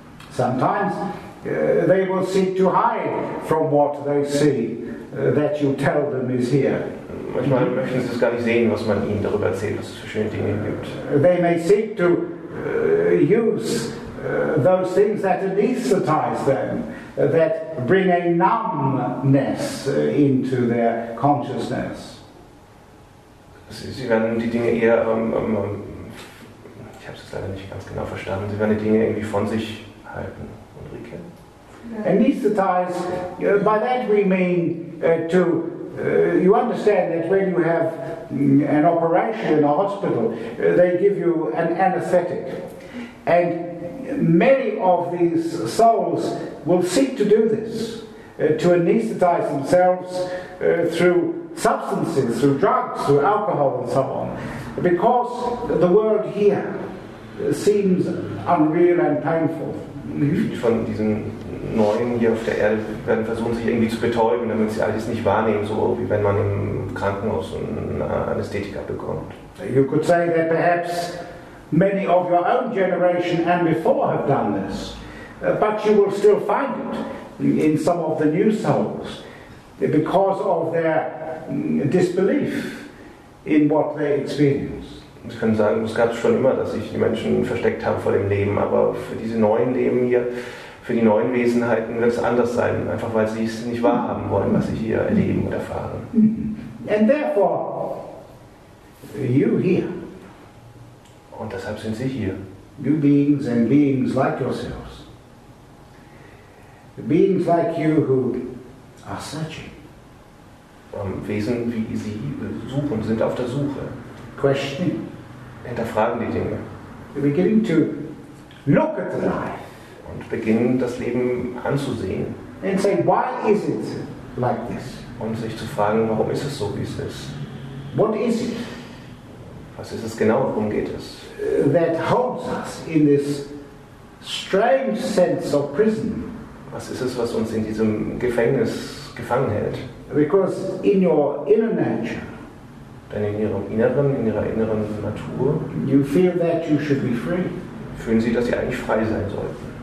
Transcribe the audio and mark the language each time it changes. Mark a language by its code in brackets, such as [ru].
[en] Sometimes they will seek to hide from what they see that you tell them is here. [de] Manchmal möchten sie es gar nicht sehen, was man ihnen darüber erzählt, was es für schöne Dinge gibt. [en] They may seek to use those things that anesthetize them, that bring a numbness into their consciousness. [de] Sie werden die Dinge eher, ich habe es leider nicht ganz genau verstanden, sie werden die Dinge irgendwie von sich halten, Ulrike. [en] Anesthetize, by that we mean you understand that when you have an operation in a hospital, they give you an anesthetic. And many of these souls will seek to do this, to anesthetize themselves through substances, through drugs, through alcohol and so on, because the world here seems unreal and painful. [de] Von diesen Neuen hier auf der Erde werden versuchen, sich irgendwie zu betäuben, damit sie alles nicht wahrnehmen, so wie wenn man im Krankenhaus einen Anästhetiker bekommt. [en] You could say that perhaps many of your own generation and before have done this, but you will still find it in some of the new souls because of their disbelief in what they experience. [de] Es kann sein, es gab schon immer, dass sich die Menschen versteckt haben vor dem Leben, aber für diese neuen Leben hier, für die neuen Wesenheiten wird es anders sein, einfach weil sie es nicht wahrhaben wollen, was sie hier erleben und erfahren. [en] And therefore, you here. [de] Und deshalb sind sie hier. [en] You beings and beings like yourselves. Beings like you who are searching. [de] Wesen wie sie suchen, sind auf der Suche. [en] Questioning. [de] Hinterfragen die Dinge. [en] You begin to look at the life. [de] Und beginnen, das Leben anzusehen. [en] And say, why is it like this? [de] Und sich zu fragen, warum ist es so, wie es ist? [en] What is it? [de] Was ist es genau, worum geht es? [en] That holds us in this strange sense of prison. [de] Was ist es, was uns in diesem Gefängnis gefangen hält? [en] Because in your inner nature, [de] denn in ihrem Inneren, in ihrer inneren Natur, [en] you feel that you should be free. [de] Fühlen sie, dass sie eigentlich frei sein sollten.